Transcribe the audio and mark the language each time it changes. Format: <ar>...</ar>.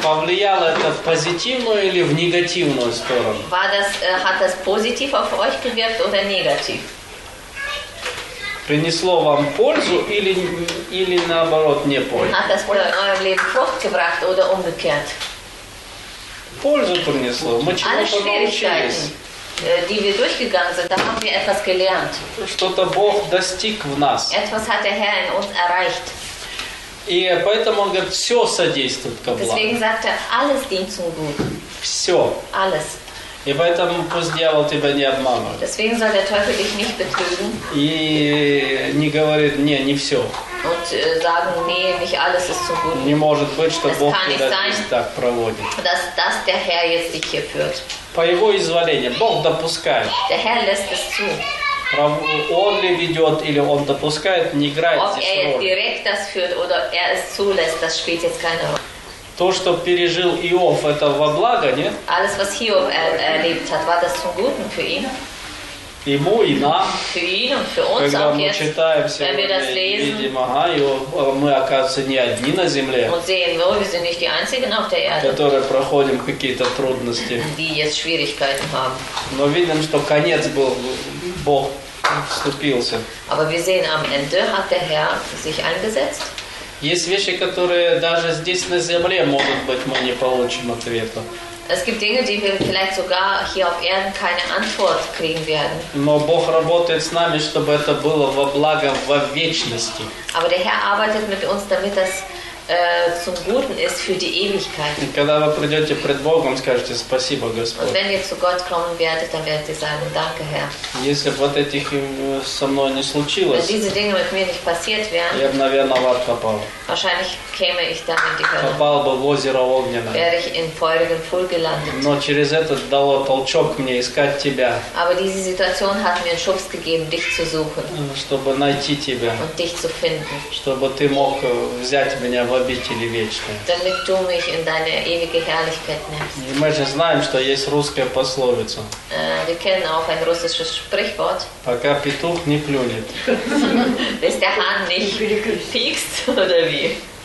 <ru>Повлияло это в позитивную или в негативную сторону?</ru> <de>War das, hat das positiv auf euch gewirkt oder negativ?</de> <ru>Принесло вам пользу или наоборот не пользу?</ru> <de>Hat das in eurem Leben Frucht gebracht oder umgekehrt?</de> <ru>Пользу принесло. Мы чему-то научились.</ru> <de>Alle Schwierigkeiten, die wir durchgegangen sind, da haben wir etwas gelernt.</de> <ru>Что-то Бог достиг в нас.</ru> <de>Etwas hat der Herr in uns erreicht.</de> <ru>И поэтому он говорит, все содействует ко благу.</ru> <de>Deswegen sagt alles dient zum Guten.</de> <ru>Все.</ru> <de>Alles.</de> <ru>И поэтому пусть дьявол тебя не обманывает.</ru> <de>Deswegen soll der Teufel dich nicht betrügen.</de> <ru>И не говорит, не, не все.</ru> <de>Und sagen, nee, nicht alles ist zum Guten.</de> <ru>Не может быть, что Бог тебя так проводит.</ru> <de>Dass der Herr jetzt dich hier führt.</de> <ru>По его изволению, Бог допускает.</ru> <de>Der Herr lässt es zu.</de> <ru>Он ли ведет или он допускает, не играет здесь роль.</ru> <de>Ob er jetzt direkt das führt oder er es zulässt, das spielt jetzt keine Rolle.</de> <ru>То, что пережил Иов, это во благо, нет?</ru> <de>Alles, was Hiob erlebt hat, war das zum Guten für ihn?</de> <ru>Ему и нам.</ru> <de>Für ihn und für uns</de> <ru>когда</ru> <de>auch</de> <ru>мы</ru> <de>jetzt,</de> <ru>читаем сегодня</ru> <de>lesen,</de> <ru>и видим, ага, мы оказываемся не одни на земле,</ru> <de>sehen, no, wir sind nicht die einzigen auf der Erde,</de> <ru>которые проходим какие-то трудности.</ru> <de>Die jetzt Schwierigkeiten haben.</de> <ru>Но видим, что конец был, Бог вступился.</ru> <de>Aber wir sehen, am Ende hat der Herr sich eingesetzt.</de> <ru>Есть вещи, которые даже здесь на земле, может быть, мы не получим ответа.</ru> <de>Es gibt Dinge, die wir vielleicht sogar hier auf Erden keine Antwort kriegen werden.</de> <ru>Но Бог работает с нами, чтобы это было во благо во вечности.</ru> <de>Aber der Herr arbeitet mit uns, damit das zum Guten ist für die Ewigkeit.</de> <ru>И когда вы придете пред Богом, скажете спасибо, Господь.</ru> <de>Und wenn ihr zu Gott kommen werдет, dann werdet ihr sagen, danke, Herr.</de> <ru>Если бы вот этих со мной не случилось,</ru> <de>wenn diese Dinge mit mir nicht passiert wären,</de> <ru>я бы, наверное, в ад попал.</ru> <de>Wahrscheinlich käme ich dann in die Hölle.</de> <ru>Попал бы в озеро огненное.</ru> <de>Wäre ich in feurigen Pool gelandet.</de> <ru>Но через это дало толчок мне искать тебя.</ru> <de>Aber diese Situation hat mir einen Schubs gegeben, dich zu suchen.</de> <ru>Чтобы найти тебя.</ru> <de>Und dich zu finden.</de> <ru>Чтобы ты мог взять меня в обители вечные.</ru> <de>Damit du mich in deine ewige Herrlichkeit nimmst.</de> <ru>И мы же знаем, что есть русская пословица.</ru> <de>Wir kennen auch ein russisches Sprichwort.</de> <ru>Пока петух не клюнет.</ru> <de>Bis der Hahn nicht piekst, oder wie?</de>